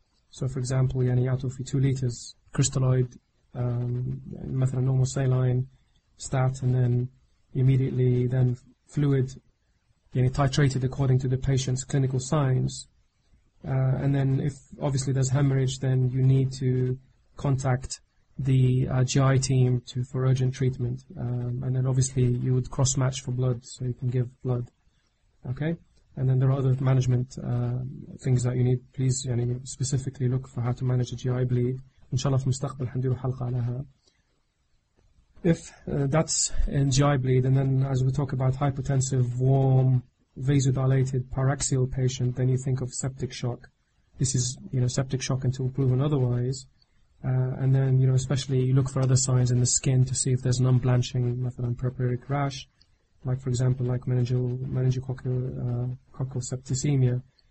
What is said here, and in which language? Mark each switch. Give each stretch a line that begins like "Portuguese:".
English: So for example, يعني out of 2 liters, crystalloid, مثلا normal saline, stat, and then immediately then fluid, يعني titrated according to the patient's clinical signs, and then if obviously there's hemorrhage, then you need to contact the GI team for urgent treatment, and then obviously you would cross match for blood, so you can give blood, okay? And then there are other management things that you need. Please, يعني specifically look for how to manage a GI bleed.
Arabic: إن شاء الله في المستقبل حندير حلقة عليها.
English: If that's in GI bleed, and then as we talk about hypotensive, warm, vasodilated, paraxial patient, then you think of septic shock. This is, you know, septic shock until proven otherwise. And then, you know, especially you look for other signs in the skin to see if there's non-blanching, methyl and purpuric rash, like, for example, like meningococcal septicemia.